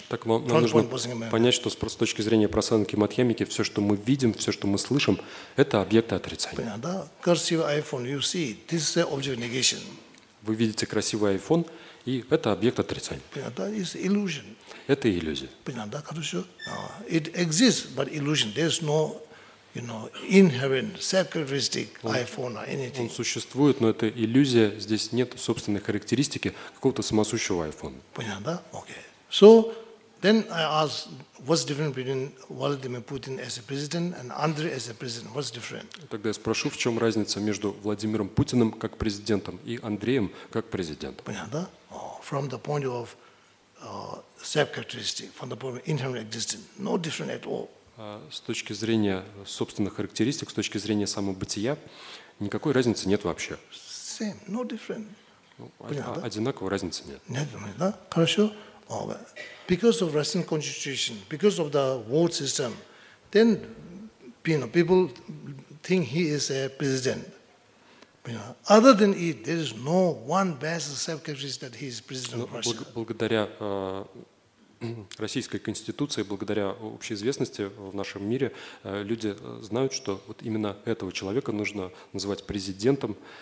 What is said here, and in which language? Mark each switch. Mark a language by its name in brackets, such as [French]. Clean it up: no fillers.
[Russian] Так вам нужно понять, что с точки зрения прасанки Мадхьямики, все, что мы видим, все, что мы слышим, это объекты отрицания. Да, красивый [English] iPhone, you see, this is object negation. [Russian] Вы видите красивый iPhone, и это объект отрицания. [English] Да, it's illusion. [Russian] Это иллюзия. Понятно, да, хорошо. [English] It exists, but illusion. There's no you know, inherent, set characteristic iPhone or anything. [Russian] Он существует, но это иллюзия. Здесь нет собственной характеристики какого-то самосущего iPhone. Понятно, да? Okay. [English] So, then I ask, what's different between Vladimir Putin as a president and Andrei as a president? What's different? [Russian] Тогда я спрошу, в чем разница между Владимиром Путиным как президентом и Андреем как президентом? Понятно, да? [English] From the point of set characteristic, from the point of inherent existence, no different at all. [Russian] С точки зрения собственных характеристик, с точки зрения самобытия, никакой разницы нет вообще. [English] Same, no different. [Russian] Одинаковой разницы нет. Нет, да? Хорошо. [English] Because of Russian constitution, because of the vote system, then you know, people think he is a president. Other than it, there is no one basic self-characteristic that he is president of Russia. [Russian] Благодаря Российской Конституции, благодаря общей известности в нашем мире, люди знают, что вот именно этого человека нужно называть президентом.